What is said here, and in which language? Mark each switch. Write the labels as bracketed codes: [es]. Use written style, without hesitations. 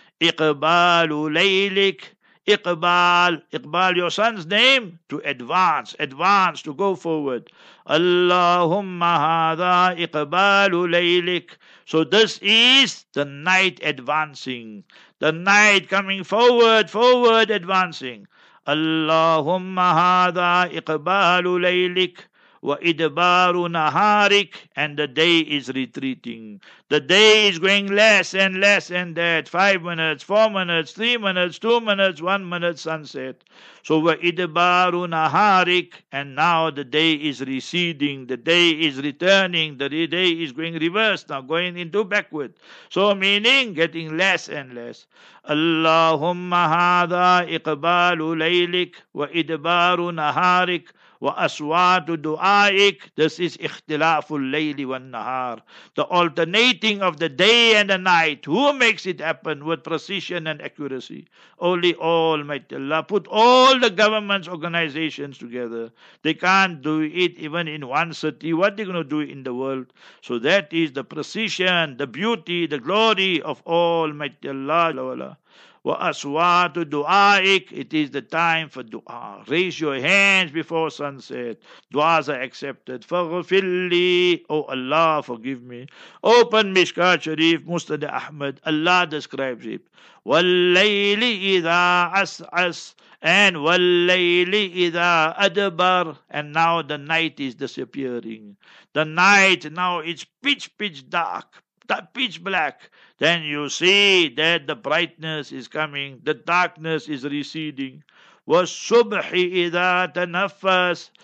[ar] Iqbalu laylik, [en] iqbal your son's name, to advance, to go forward. [ar] Allahumma hadha iqbalu laylik. [en] So this is the night advancing, the night coming forward, advancing. [ar] اللهم هذا إقبال ليلك وإدبار نهارك, [en] and the day is retreating. The day is going less and less and that, 5 minutes, 4 minutes, 3 minutes, 2 minutes, 1 minute, sunset. So [ar] وإدبار نهارك, [en] and now the day is receding, the day is returning, the day is going reverse now, going into backward. So meaning getting less and less. [ar] اللهم هذا إقبال ليلك وإدبار نهارك وأصوات دعائك. [en] This is [ar] اختلاف الليل والنهار, [en] the alternating of the day and the night. Who makes it happen with precision and accuracy? Only Almighty Allah. Put all the government's organizations together, they can't do it even in one city. What are they going to do in the world? So that is the precision, the beauty, the glory of Almighty Allah. [ar] وَأَصْوَاتُ دُعَائِكَ. [en] It is the time for dua. Raise your hands before sunset. Duas are accepted. [ar] فَغْفِرْ لِي. [en] O Allah, forgive me. Open Mishkat Sharif, Musnad Ahmad. Allah describes it. [ar] وَاللَّيْلِ إِذَا أَسْعَسْ. And وَاللَّيْلِ إِذَا أَدْبَرْ. [en] And now the night is disappearing. The night, now it's pitch, pitch dark. Pitch black, then you see that the brightness is coming, the darkness is receding. [ar] وَالصُّبْحِ إِذَا تَنَفَّسْ.